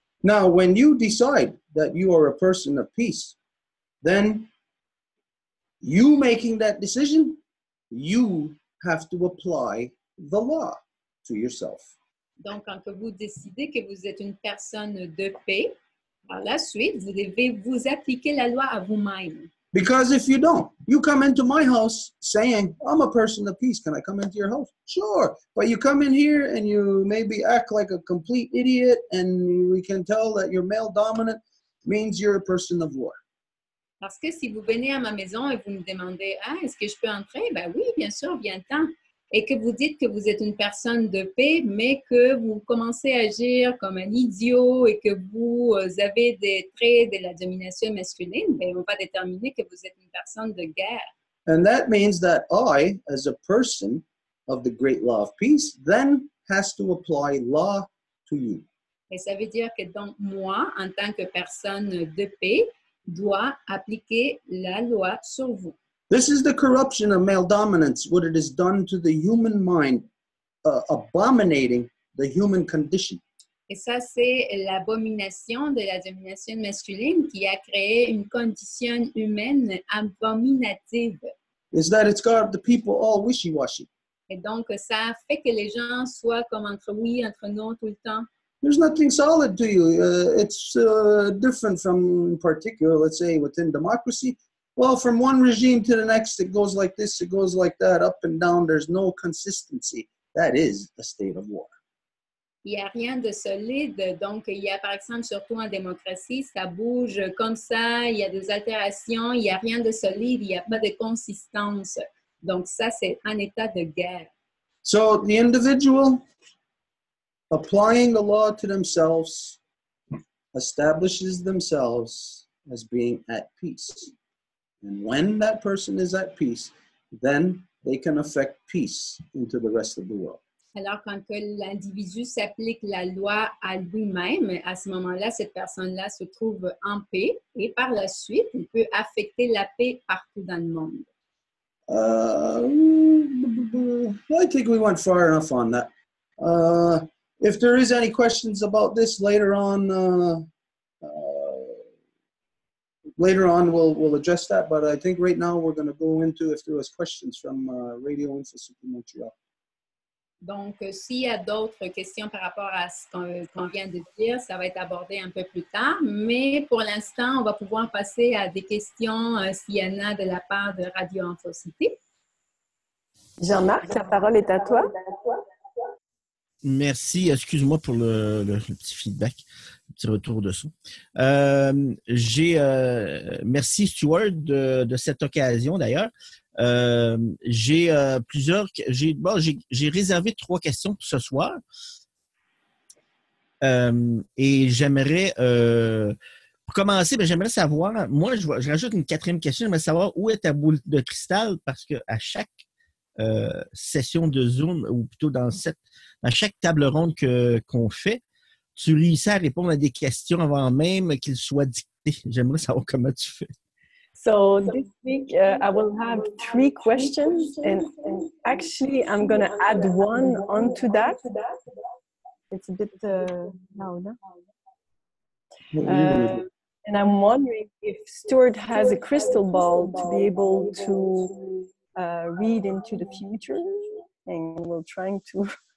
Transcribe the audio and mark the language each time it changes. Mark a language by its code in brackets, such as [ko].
[en] Now, when you decide that you are a person of peace, then you making that decision, you have to apply the law to yourself. [fr] Donc, quand vous décidez que vous êtes une personne de paix, par la suite, vous devez vous appliquer la loi à vous-même. [en] Because if you don't, you come into my house saying, I'm a person of peace, can I come into your house? Sure, but you come in here and you maybe act like a complete idiot and we can tell that you're male dominant means you're a person of war. [fr] Parce que si vous venez à ma maison et vous me demandez, ah, est-ce que je peux entrer? Ben oui, bien sûr, viens-t'en. Et que vous dites que vous êtes une personne de paix, mais que vous commencez à agir comme un idiot et que vous avez des traits de la domination masculine, ben on va déterminer que vous êtes une personne de guerre. [en] And that means that I, as a person of the great law of peace, then has to apply law to you. [fr] Et ça veut dire que donc moi, en tant que personne de paix, dois appliquer la loi sur vous. [en] This is the corruption of male dominance, what it has done to the human mind, abominating the human condition. [fr] Et ça, c'est l'abomination de la domination masculine qui a créé une condition humaine abominative. [en] Is that it's got the people all wishy-washy. [fr] Et donc, ça fait que les gens soient comme entre oui, entre non, tout le temps. [en] There's nothing solid to you. It's different from, in particular, let's say, within democracy. Well, from one regime to the next, it goes like this, it goes like that, up and down. There's no consistency. That is a state of war. [fr] Il y a rien de solide. Donc, il y a, par exemple, surtout en démocratie, ça bouge comme ça. Il y a des altérations. Il y a rien de solide. Il y a pas de consistance. Donc, ça, c'est un état de guerre. [en] So, the individual applying the law to themselves establishes themselves as being at peace. And when that person is at peace, then they can affect peace into the rest of the world. [fr] Alors, quand l'individu s'applique la loi à lui-même, à ce moment-là, cette personne-là se trouve en paix, et par la suite, il peut affecter la paix partout dans le monde. [en] I think we went far enough on that. If there is any questions about this later on, we'll address that, but I think right now we're going to go into if there was questions from Radio Info Super Montreal. [fr] Donc, s'il y a d'autres questions par rapport à ce qu'on vient de dire, ça va être abordé un peu plus tard, mais pour l'instant, on va pouvoir passer à des questions s'il y en a de la part de Radio Info City. Jean-Marc, ta parole est à toi. Merci, excuse-moi pour le petit feedback, le petit retour de son. Merci Stuart de cette occasion d'ailleurs. J'ai réservé trois questions pour ce soir. Et j'aimerais pour commencer, bien, j'aimerais savoir, moi je rajoute une quatrième question, j'aimerais savoir où est ta boule de cristal, parce que à chaque session de Zoom, ou plutôt dans chaque table ronde qu'on fait, tu réussis à répondre à des questions avant même qu'ils soient dictés. J'aimerais savoir comment tu fais. [en] So this week I will have three questions, and actually I'm going to add one onto that. It's a bit louder. And I'm wondering if Stuart has a crystal ball to be able to read into the future, and we're trying to.